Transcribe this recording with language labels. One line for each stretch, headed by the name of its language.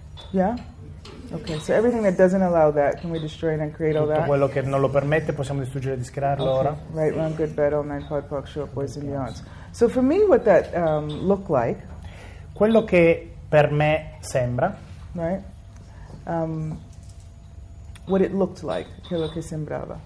English: Yeah. Okay. So everything that doesn't allow that, can we destroy and create all that?
Italian: Tutto quello che non lo permette, possiamo distruggere e discrearlo ora.
English: Right, wrong, good, bad, all nine, pod, poc, short, boys and beyonds. So for me, what that looked like.
Italian: Quello che per me sembra.
English: Right. What it looked like,
Italian: quello che sembrava.